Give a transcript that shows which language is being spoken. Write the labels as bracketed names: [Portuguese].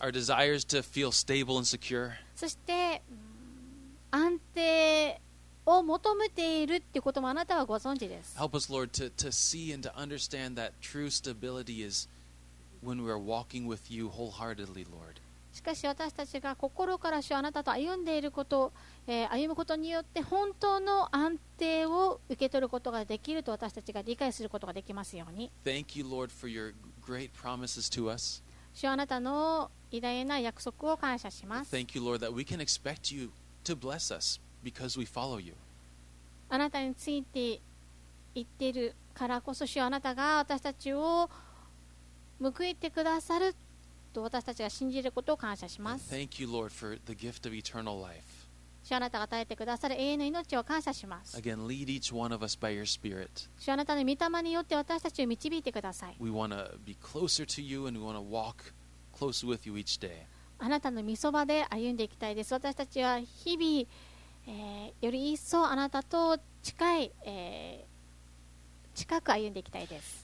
[English] Our desires to feel stable and secure. [Japanese] そして安定を求めているってこともあなたはご存知です。 [English] Help us, Lord, to see and to understand that true stability is when we are walking with you wholeheartedly, Lord. [Japanese] しかし私たちが心から主あなたと歩んでいること、歩むことによって本当の安定を受け取ることができると私たちが理解することができますように。 [English] Thank you, Lord, for your great promises to us. [Japanese] 主あなたの偉大な約束を感謝します。 [English] Thank you, Lord, that we can expect you to bless us because we follow you. [Japanese] あなたについて言っているからこそ主あなたが私たちを報いてくださる。私たちが信じることを感謝します。 [English] Thank you, Lord, for the gift of eternal life. [Japanese] 主あなたが与えてくださる永遠の命を感謝します。 [English] Again, lead each one of us by your Spirit. [Japanese] 主あなたの御霊によって私たちを導いてください。 [English] We want to be closer to you and we want to walk closer with you each day. [Japanese] あなたの御そばで歩んでいきたいです。私たちは日々、より一層あなたと近い、近く歩んでいきたいです。